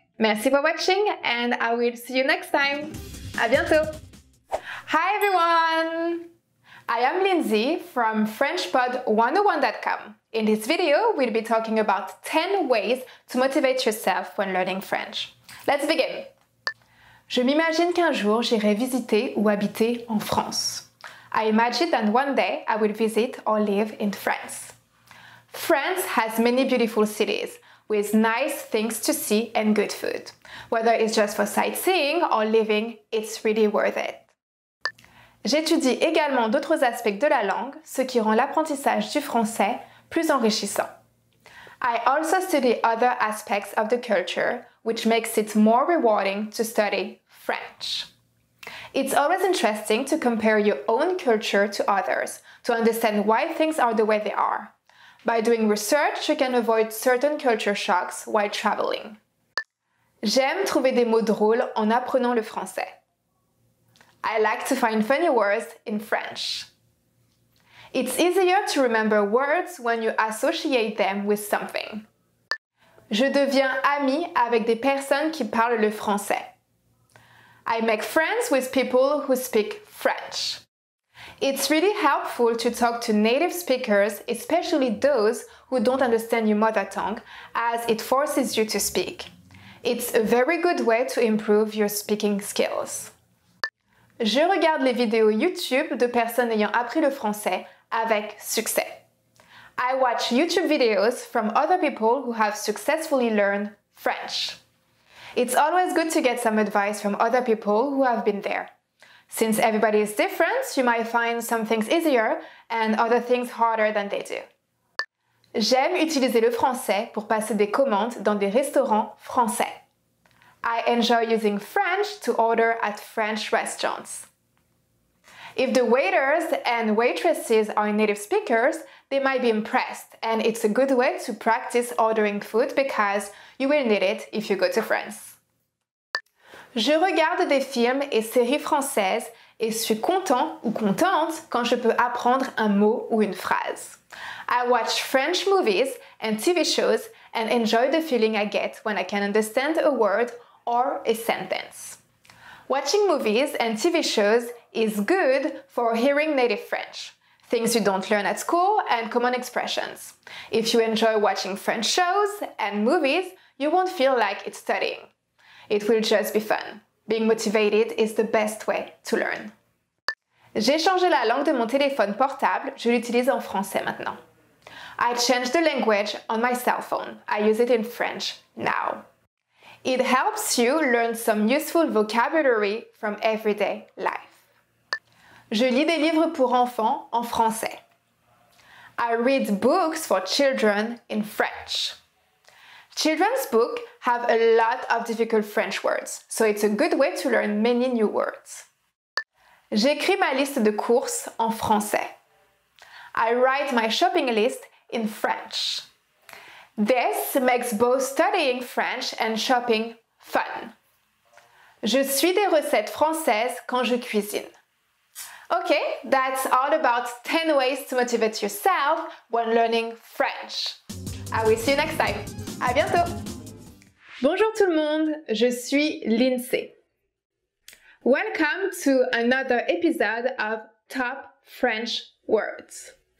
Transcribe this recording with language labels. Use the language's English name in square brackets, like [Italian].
[English] Merci for watching and I will see you next time. [French] À bientôt. [English] Hi everyone. I am Lindsay from FrenchPod101.com. In this video, we'll be talking about 10 ways to motivate yourself when learning French. Let's begin. [French] Je m'imagine qu'un jour j'irai visiter ou habiter en France. [English] I imagine that one day I will visit or live in France. France has many beautiful cities with nice things to see and good food. Whether it's just for sightseeing or living, it's really worth it. [French] J'étudie également d'autres aspects de la langue, ce qui rend l'apprentissage du français plus enrichissant. [English] I also study other aspects of the culture, which makes it more rewarding to study French. It's always interesting to compare your own culture to others, to understand why things are the way they are. By doing research, you can avoid certain culture shocks while traveling. [French] J'aime trouver des mots drôles en apprenant le français. [English] I like to find funny words in French. It's easier to remember words when you associate them with something. [French] Je deviens ami avec des personnes qui parlent le français. [English] I make friends with people who speak French. It's really helpful to talk to native speakers, especially those who don't understand your mother tongue, as it forces you to speak. It's a very good way to improve your speaking skills. [French] Je regarde les vidéos YouTube de personnes ayant appris le français avec succès. [English] I watch YouTube videos from other people who have successfully learned French. It's always good to get some advice from other people who have been there. Since everybody is different, you might find some things easier and other things harder than they do. [French] J'aime utiliser le français pour passer des commandes dans des restaurants français. [English] I enjoy using French to order at French restaurants. If the waiters and waitresses are native speakers, they might be impressed, and it's a good way to practice ordering food because you will need it if you go to France. [French] Je regarde des films et séries françaises et suis content ou contente quand je peux apprendre un mot ou une phrase. [English] I watch French movies and TV shows and enjoy the feeling I get when I can understand a word or a sentence. Watching movies and TV shows is good for hearing native French, things you don't learn at school, and common expressions. If you enjoy watching French shows and movies, you won't feel like it's studying. It will just be fun. Being motivated is the best way to learn. [French] J'ai changé la langue de mon téléphone portable, je l'utilise en français maintenant. [English] I changed the language on my cell phone. I use it in French now. It helps you learn some useful vocabulary from everyday life. [French] Je lis des livres pour enfants en français. [English] I read books for children in French. Children's books have a lot of difficult French words, so it's a good way to learn many new words. [French] J'écris ma liste de courses en français. [English] I write my shopping list in French. This makes both studying French and shopping fun. [French] Je suis des recettes françaises quand je cuisine. [English] Okay, that's all about 10 ways to motivate yourself when learning French. I will see you next time. [French] À bientôt. Bonjour tout le monde, je suis Lindsay. [English] Welcome to another episode of Top French Words.